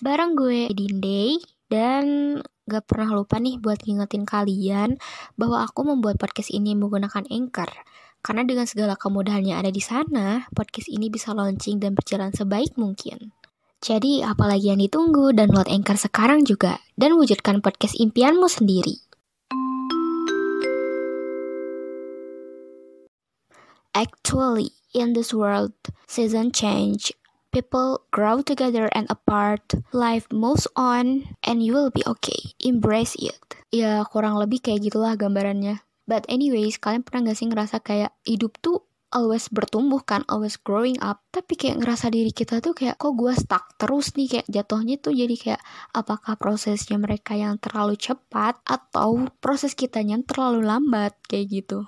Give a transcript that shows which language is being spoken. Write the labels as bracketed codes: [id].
[id] Bareng gue, Dinday, dan gak pernah lupa nih buat ngingetin kalian bahwa aku membuat podcast ini menggunakan Anchor. Karena dengan segala kemudahan yang ada di sana, podcast ini bisa launching dan berjalan sebaik mungkin. Jadi, apalagi yang ditunggu, download Anchor sekarang juga, dan wujudkan podcast impianmu sendiri. [en] Actually, in this world, seasons change. People grow together and apart. Life moves on and you will be okay. Embrace it. [id] Ya, kurang lebih kayak gitulah gambarannya. [en] But anyways, [id] kalian pernah gak sih ngerasa kayak hidup tuh always bertumbuh kan, [en] always growing up. [id] Tapi kayak ngerasa diri kita tuh kayak, kok gue stuck terus nih, kayak jatuhnya tuh jadi kayak, apakah prosesnya mereka yang terlalu cepat, atau proses kitanya yang terlalu lambat, kayak gitu.